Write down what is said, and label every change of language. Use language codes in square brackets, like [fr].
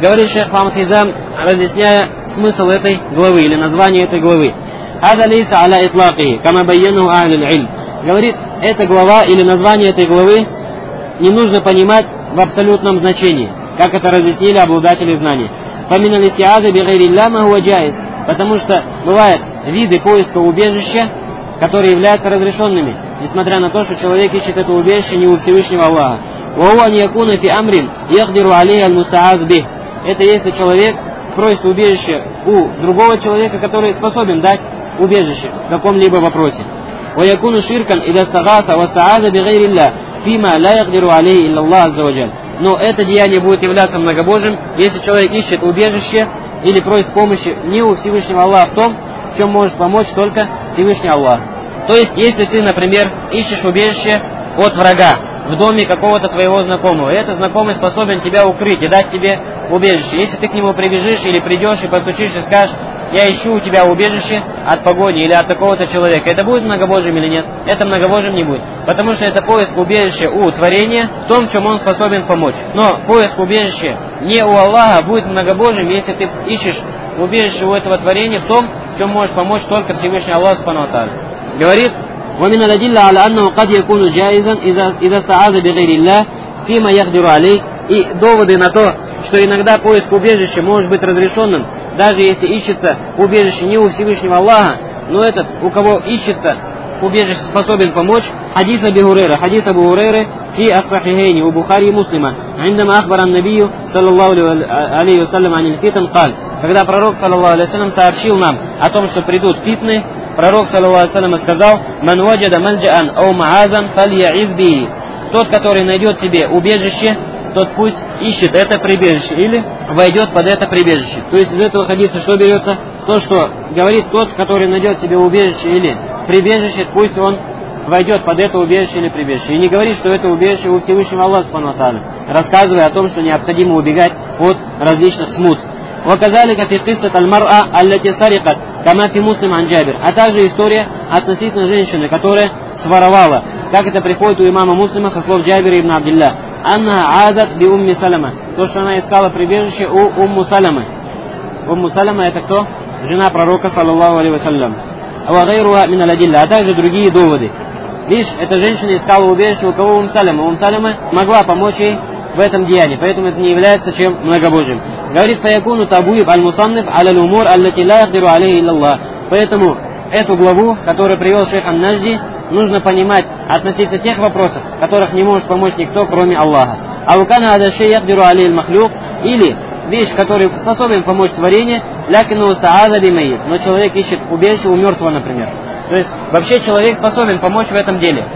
[ru] Говорит шейх Мухаммад Хизам, разъясняя смысл этой главы или название этой главы: [ar] хаза лейса аля итлакихи кама байянаху ахли аль-ильм. [ru] Говорит, эта глава или название этой главы не нужно понимать в абсолютном значении, как это разъяснили обладатели знаний. [ar] فمن الاستعاذة بغير الله ما هو جائز. [ru] Потому что бывают виды поиска убежища, которые являются разрешенными, несмотря на то, что человек ищет это убежище не у Всевышнего Аллаха. [ar] وهو أن يكون في أمر يقدر عليه المستعاذ به. [ru] Это если человек просит убежище у другого человека, который способен дать убежище в каком-либо вопросе. [ar] ويكون شركا إذا استغاث واستعاذ بغير الله فيما لا يقدر عليه إلا الله عز وجل. [ru] Но это деяние будет являться многобожим, если человек ищет убежище или просит помощи не у Всевышнего Аллаха в том, в чем может помочь только Всевышний Аллах. То есть, если ты, например, ищешь убежище от врага в доме какого-то твоего знакомого, и этот знакомый способен тебя укрыть и дать тебе убежище. Если ты к нему прибежишь или придешь и постучишь и скажешь: я ищу у тебя убежище от погони или от такого-то человека, это будет многобожим или нет? Это многобожим не будет. Потому что это поиск убежища у творения в том, в чем он способен помочь. Но поиск убежища не у Аллаха будет многобожим, если ты ищешь убежище у этого творения в том, в чем может помочь только Всевышний Аллах субхана ва тааля. Говорит: [ar] ومن الأدلة على أنه قد يكون جائزا إذا استعاذ بغير الله فيما يقدر عليه. [ru] И доводы на то, что иногда поиск убежища может быть разрешенным, даже если ищется убежище не у Всевышнего Аллаха, но этот, у кого ищется убежище, способен помочь. Хадис Абу Хурейры, хадис Абу Хурейры фи ас-сахихейни у Бухари и Муслима. [ar] عندما أخبر النبي صلى الله عليه وسلم عن الفتن قال. [ru] Когда пророк саллаллаху алейхи ва саллям сообщил нам о том, что придут фитны, пророк саллаллаху алейхи ва саллям сказал: [ar] ман ваджада мальджаан ау мааза фалиъиз бихи. [ru] Тот, который найдет себе убежище, тот пусть ищет это прибежище или войдет под это прибежище. То есть из этого хадиса что берется? То, что говорит: тот, который найдет себе убежище или прибежище, пусть он войдет под это убежище или прибежище. И не говорит, что это убежище у Всевышнего Аллаха субхана ва тааля, рассказывая о том, что необходимо убегать от различных смут. [ar] وكذلك في قصة المرأة التي سرقت كما في مسلم عن جابر. [ru] А также история относительно женщины, которая своровала, как это приходит у имама Муслима со слов Джабира ибн Абдилла. Она [ar] азат би умми Салама. [ru] То, что она искала прибежище у умму Салама. Умму Салама — это кто? Жена пророка саллаллаху алейхи ва саллям. [ar] Ва гайруха мин аль-адилля. [ru] А также другие доводы. Видишь, эта женщина искала убежище у кого? Умму Салама. Умму Салама могла помочь ей в этом деянии, поэтому это не является чем многобожьим. Говорит: [ar] فَيَكُونُ تَبُوِيبُ الْمُصَنِّفُ عَلَى الْأُمُورِ الَّتِي لَا يَقْدِرُ عَلَيْهِ إِلَّا اللَّهُ. [ru] Поэтому эту главу, которую привел шейх ан-Наджи, нужно понимать относительно тех вопросов, которых не может помочь никто, кроме Аллаха. [ar] أَوْ كَانَ هَذَا الشَّيْءُ يَقْدِرُ عَلَيْهِ الْمَخْلُوقُ. [ru] Или вещь, которая способен помочь творение, [ar] لَكِنَّ اُسْتَعَاذَ بِمَيِّتٍ. [ru] Но человек ищет убежище у мертвого, например. То есть вообще человек способен помочь в этом деле.